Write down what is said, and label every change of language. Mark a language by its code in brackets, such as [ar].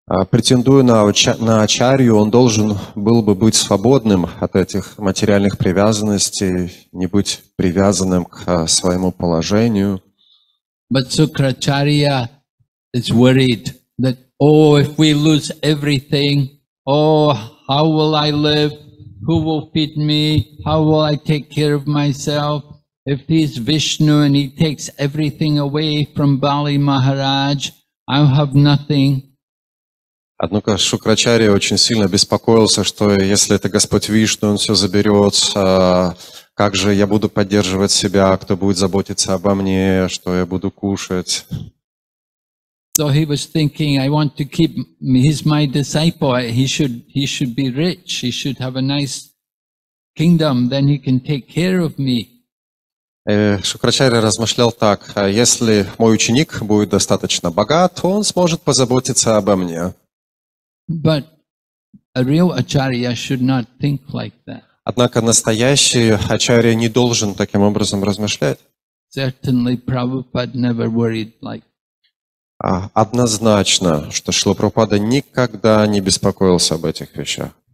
[ru] Претендуя на ачарью, он должен был бы быть свободным от этих материальных привязанностей, не быть привязанным к своему положению. [en] But Sukracharya is worried that, oh, if we lose everything, oh, how will I live? Who will feed me? How will I take care of myself? If he's Vishnu and he takes everything away from Bali Maharaj, I have nothing. [ru] Однако Шукрачарья очень сильно беспокоился, что если это Господь Вишну, он все заберет, как же я буду поддерживать себя, кто будет заботиться обо мне, что я буду кушать? [en] So he was thinking, I want to keep, he's my disciple, he should be rich, he should have a nice kingdom, then he can take care of me. [ru] Шукрачарья размышлял так, если мой ученик будет достаточно богат, он сможет позаботиться обо мне. [en] But a real acharya should not think like that. [ru] Однако настоящий ачарья не должен таким образом размышлять. [en] Certainly Prabhupada never worried like that. [ru] Однозначно, что Шрила Прабхупада никогда не беспокоился об этих вещах.